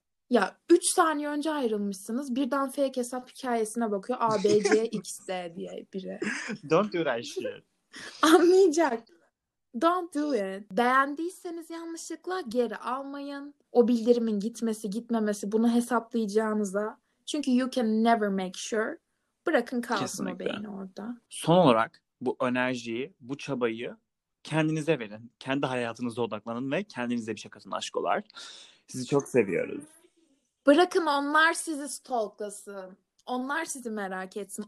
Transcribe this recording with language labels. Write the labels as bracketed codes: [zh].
[tr] Ya 3 saniye önce ayrılmışsınız. Birden fake hesap hikayesine bakıyor. A, B, C, X, Z diye biri. [en] Don't do that shit. [tr] Anlayacak. [en] Don't do it. [tr] Beğendiyseniz yanlışlıkla geri almayın. O bildirimin gitmesi gitmemesi, bunu hesaplayacağınıza. Çünkü [en] you can never make sure. [tr] Bırakın kalsın o beyni orada. Son olarak bu enerjiyi, bu çabayı kendinize verin. Kendi hayatınıza odaklanın ve kendinize bir şey katın aşkolar. Sizi çok seviyoruz. Bırakın onlar sizi stalklasın. Onlar sizi merak etsin.